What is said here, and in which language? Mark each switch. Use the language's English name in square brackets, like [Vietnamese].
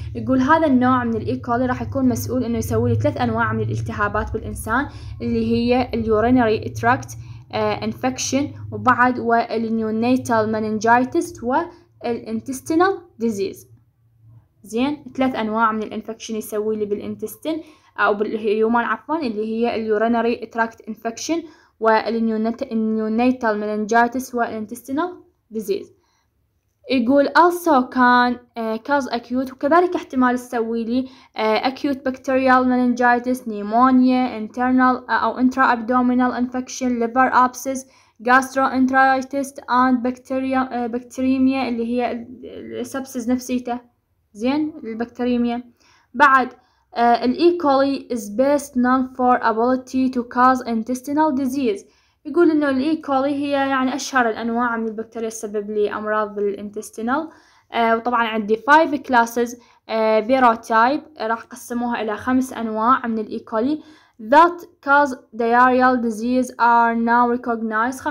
[Arabic] يقول هذا النوع من الايكولي راح يكون مسؤول انه يسوي لي 3 انواع من الالتهابات بالانسان، اللي هي اليورينري تراكت انفكشن، وبعد والنيونيتال مننجايتس والانتستينال ديزيز. زين 3 انواع من الانفكشن يسوي لي بالانتستين او بالهيومن عفوا، اللي هي اليورينري تراكت انفكشن والنيونيتال مننجايتس والانتستينال ديزيز. يقول [English] also can cause acute [Arabic] وكذلك احتمال تسوي لي [English] acute bacterial meningitis pneumonia internal او intra abdominal infection liver abscess gastroenteritis and bacteremia [Arabic] اللي هي السبسس نفسيته. زين البكتيريميا. [English] بعد الايكولي is best known for ability to cause intestinal disease. [Arabic] يقول انه الايكولي هي يعني اشهر الانواع من البكتيريا السبب لامراض الانتستينال. وطبعا عندي 5 كلاسز فيروتايب، راح قسموها الى 5 انواع من الايكولي [English] that cause diarrheal disease are now recognized.